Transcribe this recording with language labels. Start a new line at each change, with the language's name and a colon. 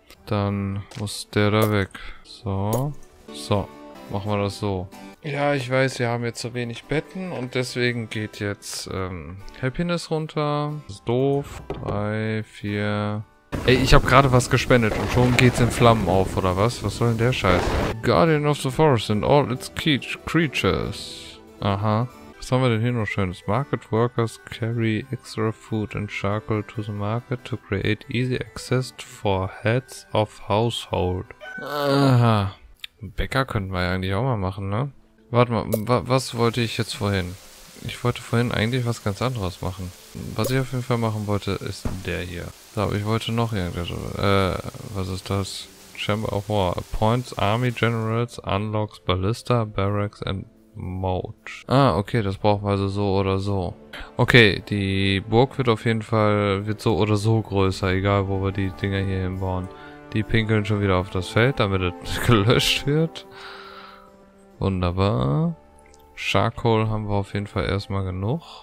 German: Dann muss der da weg. So. So. Machen wir das so. Ja, ich weiß, wir haben jetzt zu wenig Betten und deswegen geht jetzt Happiness runter. Das ist doof. 3, 4... Ey, ich habe gerade was gespendet und schon geht's in Flammen auf, oder was? Was soll denn der Scheiß?
English: Guardian of the Forest and all its creatures. Aha.
German: Was haben wir denn hier noch Schönes?
English: Market workers carry extra food and charcoal to the market to create easy access for heads of household. Aha.
German: Bäcker könnten wir ja eigentlich auch mal machen, ne? Warte mal, was wollte ich jetzt vorhin? Ich wollte vorhin eigentlich was ganz anderes machen. Was ich auf jeden Fall machen wollte, ist der hier. So, aber ich wollte noch irgendwas. Was ist das? Chamber of War.
English: Appoints Army Generals, unlocks Ballista, Barracks and Moat.
German: Ah, okay, das brauchen wir also so oder so. Okay, die Burg wird auf jeden Fall, wird so oder so größer, egal wo wir die Dinger hier hinbauen. Die pinkeln schon wieder auf das Feld, damit es gelöscht wird. Wunderbar. Charcoal haben wir auf jeden Fall erstmal genug.